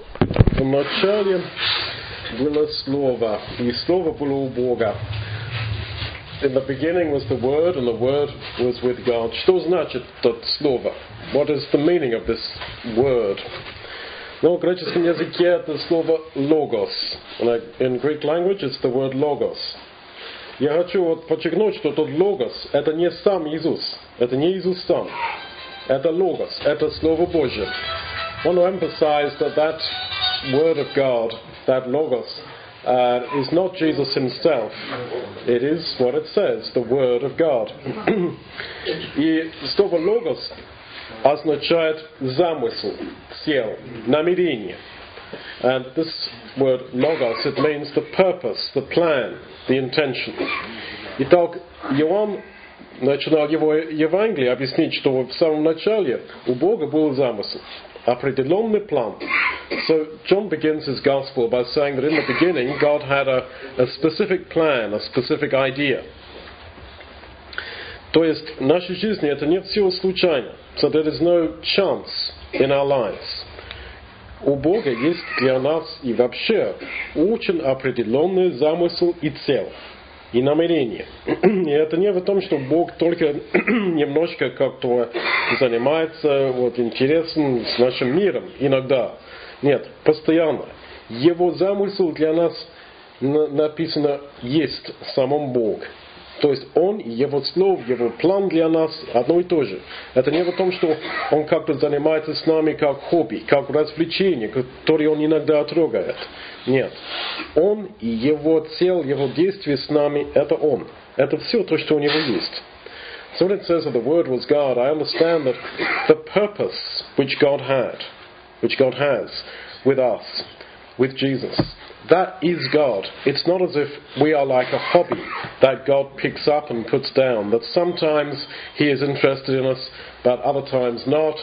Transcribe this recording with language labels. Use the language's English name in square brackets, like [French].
[Russian] В начале было Слово, и Слово было у Бога. [English] In the beginning was the Word, and the Word was with God. [Russian] Что значит это Слово? [English] What is the meaning of this Word? [Russian] Ну, в греческом языке это слово «логос». [English] In Greek language it's the word «логос». [Russian] Я хочу вот подчеркнуть, что тот «логос» — это не сам Иисус. Это не Иисус сам. Это «логос», это Слово Божие. [English] I want to emphasize that that word of God, that logos, is not Jesus himself. It is what it says, the word of God. [Russian] И слово логос означает замысел, цель, намерение. [English] And this word logos, it means the purpose, the plan, the intention. [Russian] Итак, Иоанн начинал его Евангелие объяснить, что в самом начале у Бога был замысел. Определенный план. [English] So John begins his gospel by saying that in the beginning God had a specific plan, a specific idea. [Russian] То есть в нашей жизни это не все случайно. [English] So there is no chance in our lives. [Russian] У Бога есть для нас и вообще очень определенный замысел и цель, и намерение. И это не в том, что Бог только немножко как-то занимается вот, интересом с нашим миром иногда. Нет, постоянно. Его замысел для нас написано есть самом Бог. То есть Он, Его Слово, Его план для нас одно и то же. Это не в том, что Он как-то занимается с нами как хобби, как развлечение, которое Он иногда трогает. Нет. Он и Его цель, Его действие с нами – это Он. Это все то, что у Него есть. [English] So when it says that the Word was God, I understand that the purpose which God had, which God has with us, with Jesus – that is God. It's not as if we are like a hobby that God picks up and puts down. That sometimes He is interested in us, but other times not.